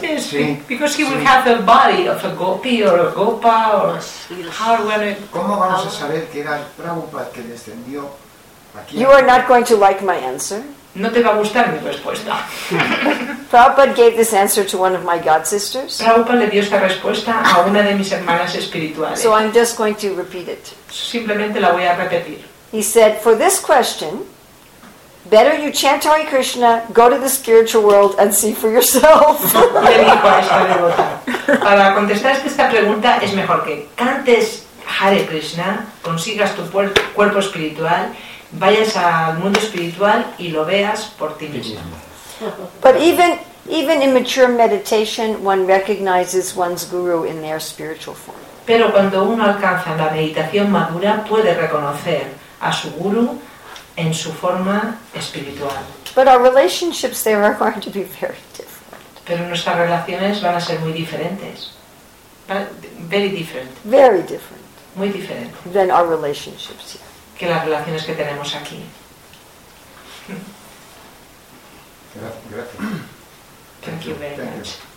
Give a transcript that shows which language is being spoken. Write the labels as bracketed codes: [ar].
[en] Yes, because he will have the body of a gopi or a gopa or [es] ¿cómo vamos a saber que era el Prabhupada que descendió aquí? [en] You are not going to like my answer. [es] No te va a gustar mi respuesta. [en] Prabhupada gave this answer to one of my god sisters. [es] Prabhupada le dio esta respuesta a una de mis hermanas espirituales. [en] So I'm just going to repeat it. [es] Simplemente la voy a repetir. [en] He said, for this question, better you chant Hare Krishna, go to the spiritual world and see for yourself. [es] Para contestar esta pregunta es mejor que cantes Hare Krishna, consigas tu cuerpo espiritual, vayas al mundo espiritual y lo veas por ti mismo. [en] But even in mature meditation, one recognizes one's guru in their spiritual form. [es] Pero cuando uno alcanza la meditación madura, puede reconocer a su guru en su forma espiritual. [en] But our relationships there are going to be very different. [es] Pero nuestras relaciones van a ser muy diferentes. [en] Very different. Very different. [es] Muy diferente. [en] Than our relationships here. [es] Que las relaciones que tenemos aquí. Gracias. [en] Thank you very much.